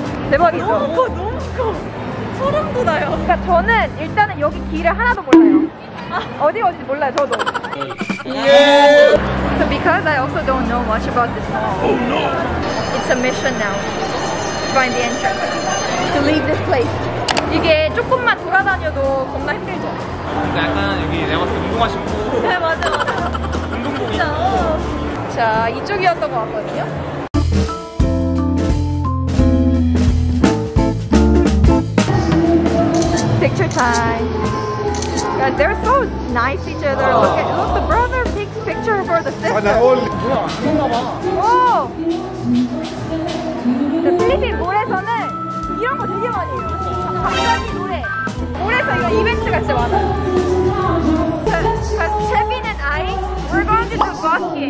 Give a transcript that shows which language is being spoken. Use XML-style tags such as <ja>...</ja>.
<ko>대박이죠. 너무 커, 너무 커. 소름도 나요. 그러니까 저는 일단은 여기 길을 하나도 몰라요. 어디 어딘지 몰라요, 저도. 예.</ko> <en>So because I also don't know much about this mall. Oh no. It's a mission now. Find the entrance. To leave this place.</en> <ko>이게 조금만 돌아다녀도 겁나 힘들죠. 근데 약간 여기 내가 봤을 때 운동화 신고. 네 맞아 맞아. 운동복이. 자 이쪽이었던 것 같거든요.</ko> <en>picture time. Guys, they're so nice each other. Oh. Look, look, the brother takes picture for the sister.</en> <ko>아, 나 어울리. 오! 필리핀 모래에서는 이런 거 되게 많이 해요. 갑자기 노래. 모래에서 이거 이벤트가 진짜 많아.</ko> <en>'Cause Chevin and I, we're going to do basket.</en>